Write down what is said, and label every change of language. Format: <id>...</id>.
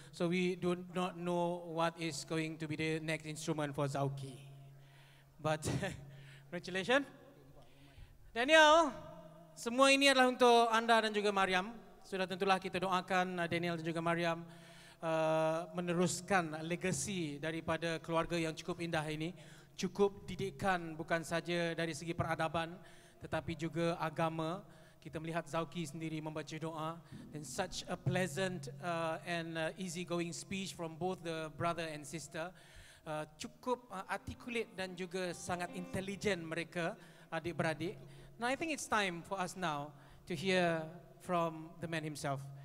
<en>So we do not know what is going to be the next instrument for Zauqi. But congratulations.</en> <ms>Daniel, semua ini adalah untuk anda dan juga Mariam. Sudah tentulah kita doakan Daniel dan juga Mariam meneruskan legasi daripada keluarga yang cukup indah ini. Cukup didikan bukan saja dari segi peradaban tetapi juga agama. Kita melihat Zauqi sendiri membaca doa.</ms> <en>And such a pleasant and easy going speech from both the brother and sister.</en> <ms>Cukup articulate dan juga sangat intelligent mereka adik-beradik.</ms> <en>Now I think it's time for us now to hear from the man himself.</en>